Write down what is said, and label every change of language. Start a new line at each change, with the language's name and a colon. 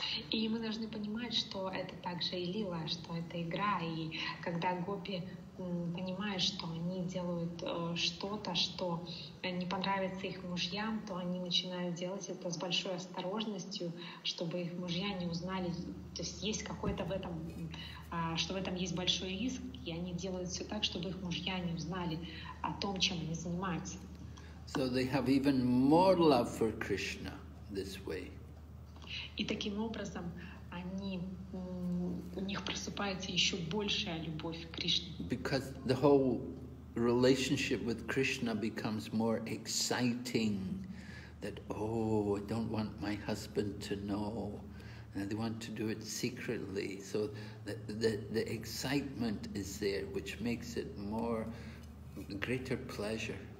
Russian: И мы должны понимать, что это также и лила, что это игра, и когда гопи понимают, что они делают что-то, что не понравится их мужьям, то они начинают делать это с большой осторожностью, чтобы их мужья не узнали. То есть есть какой-то в этом, что в этом есть большой риск, и они делают все так, чтобы их мужья не узнали о том, чем они занимаются.
English: So they have even more love for Krishna this way.
Russian: И таким образом они, у них просыпается еще большая любовь к Кришне.
English: Because the whole relationship with Krishna becomes more exciting. That, oh, I don't want my husband to know. And they want to do it secretly. So the excitement is there, which makes it more, greater pleasure.